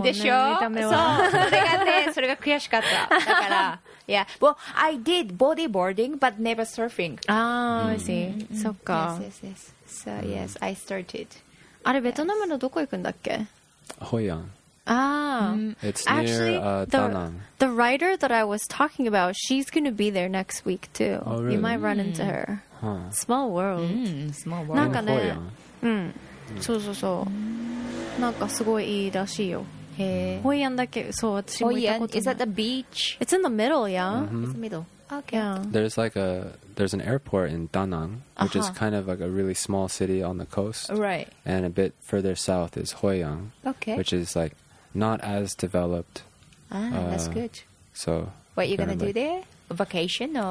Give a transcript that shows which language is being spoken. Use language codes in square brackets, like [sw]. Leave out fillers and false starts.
[ja] でしょ?そう。それがね、それが悔しかった。だから、yeah. [en] Well, I did bodyboarding, but never surfing. Ah, I see. Mm-hmm. [ja] そっか。 [en] Yes. So, yes, I started. [ja] あれ、ベトナムのどこ行くんだっけ? ホイアン。 Ah, [en] it's near, actually, the writer that I was talking about, she's going to be there next week too. Oh, really? You might run into her. Huh. Small world. Small world. [ja] なんかね、そうそうそう。なんかすごいいいらしいよ。へえ。ホイアンだけ、そう、私も行ったことない。 [en] Is that the beach? It's in the middle, yeah. Mm-hmm. It's the middle. Okay. Yeah. There's an airport in Da Nang, which is kind of like a really small city on the coast. Right. And a bit further south is Hoi An. Okay. Which is like not as developed. Ah, that's good. So what are you going to do there? A vacation or?